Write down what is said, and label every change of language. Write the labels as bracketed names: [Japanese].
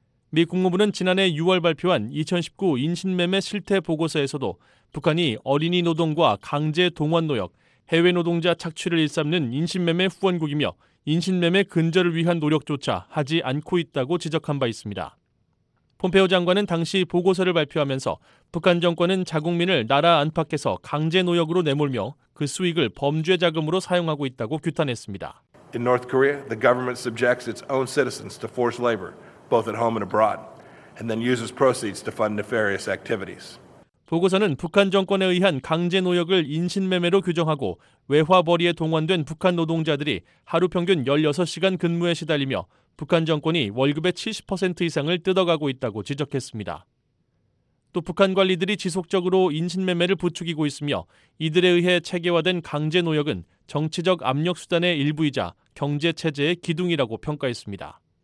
[Korean] 미 국무부는 지난해 6월 발표한 2019 인신매매 실태보고서에서도 북한이 어린이 노동과 강제 동원 노역, 해외 노동자 착취를 일삼는 인신매매 후원국이며 인신매매 근절을 위한 노력조차 하지 않고 있다고 지적한 바 있습니다. 폼페오 장관은 당시 보고서를 발표하면서 북한 정권은 자국민을 나라 안팎에서 강제 노역으로 내몰며 그 수익을 범죄 자금으로 사용하고 있다고 규탄했습니다. [English] In North Korea, the government subjects its own citizens to forced labor, both at home and abroad, and then uses proceeds to fund nefarious activities. [Korean] 보고서는 북한 정권에 의한 강제 노역을 인신매매로 규정하고 외화 벌이에 동원된 북한 노동자들이 하루 평균 16시간 근무에 시달리며 북한 정권이 월급의 70% 이상을 뜯어가고 있다고 지적했습니다. 또 북한 관리들이 지속적으로 인신매매를 부추기고 있으며 이들에 의해 체계화된 강제 노역은 정치적 압력 수단의 일부이자 경제 체제의 기둥이라고 평가했습니다.